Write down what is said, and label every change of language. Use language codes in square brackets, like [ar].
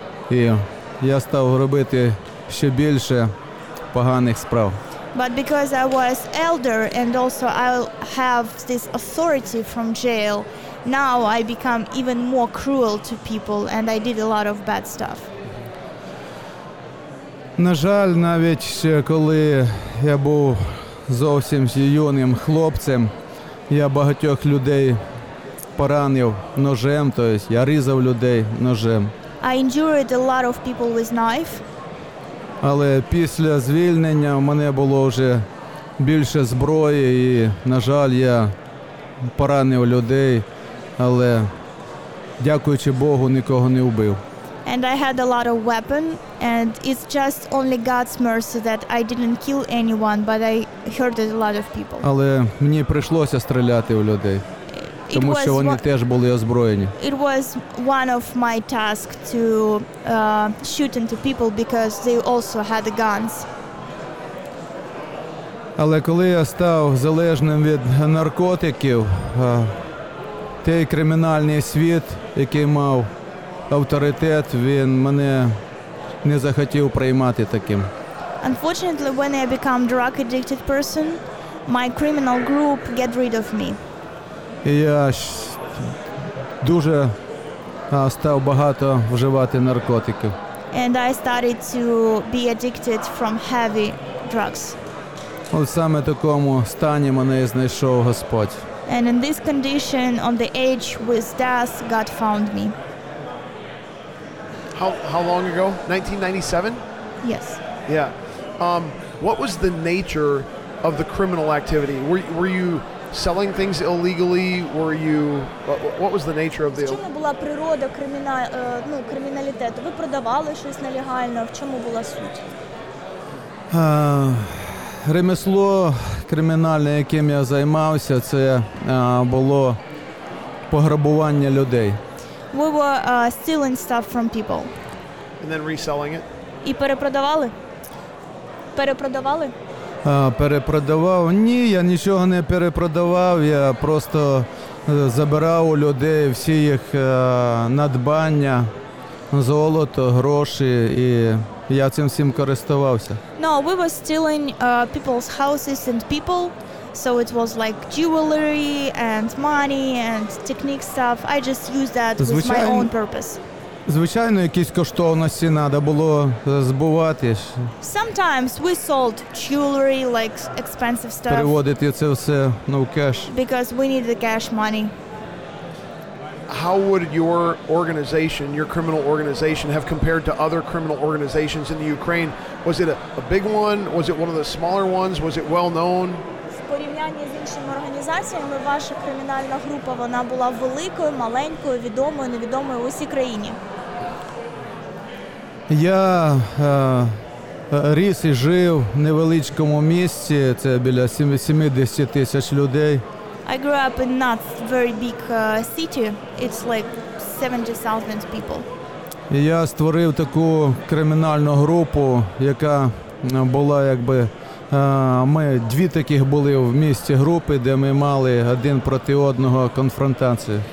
[uk] І я став робити ще більше поганих справ. [en] But because I was elder and also I have this authority from jail, now I become even more cruel to people and I did a lot of bad stuff. [uk] На жаль, навіть ще коли я був зовсім юним хлопцем, я багатьох людей поранив ножем, тобто я різав людей ножем. [en] I injured a lot of people with knife. [uk] Але після звільнення в мене було вже більше зброї і, на жаль, я поранив людей, але дякуючи Богу, нікого не вбив. [en] And I had a lot of weapon and it's just only God's mercy that I didn't kill anyone, but I hurt a lot of people. [uk] Але мені прийшлося стріляти в людей. Тому що вони теж були озброєні. [en] It was one of my tasks to shoot into people because they also had the guns. [uk] Але коли я став залежним від наркотиків, той кримінальний світ, який мав авторитет, він мене не захотів приймати таким. [en] Unfortunately, when I become drug addicted person, my criminal group get rid of me. [uk] І я дуже став багато вживати наркотиків. [en] And I started to be addicted from heavy drugs. [uk] От саме такому стані мене і знайшов Господь. [en] And in this condition, on the edge with death, God found me. How long ago? 1997? Yes. Yeah. What was the nature of the criminal activity? Were you selling things illegally? Were you... What was the nature of the... [uk] В чому була природа криміналітету? Ви продавали щось нелегально? В чому була суть? Ремесло кримінальне, яким я займався, це було пограбування людей. [en] We were stealing stuff from people. And then reselling it? [uk] І перепродавали? Перепродавали? Перепродавав? Ні, я нічого не перепродавав, я просто забирав у людей всі їх надбання, золото, гроші, і я цим всім користувався. [en] No, we were stealing people's houses and people, so it was like jewelry and money and technique stuff. I just used that with my own purpose. [uk] Звичайно, якісь коштовності треба було збувати. [en] Sometimes we sold jewelry, like expensive stuff. [uk] Переводити це все в кеш. [en] Because we need the cash money. How would your organization, your criminal organization, have compared to other criminal organizations in the Ukraine? Was it a big one? Was it one of the smaller ones? Was it well known? [uk] В порівнянні з іншими організаціями, ваша кримінальна група, вона була великою, маленькою, відомою, невідомою в усій країні. Я ріс і жив в невеличкому місті, це біля 70 тисяч людей. [en] I grew up in not very big city, it's like 70,000 people. [uk] Я створив таку кримінальну групу, яка була якби, ми дві таких були в місті групи, де ми мали один проти одного конфронтацію.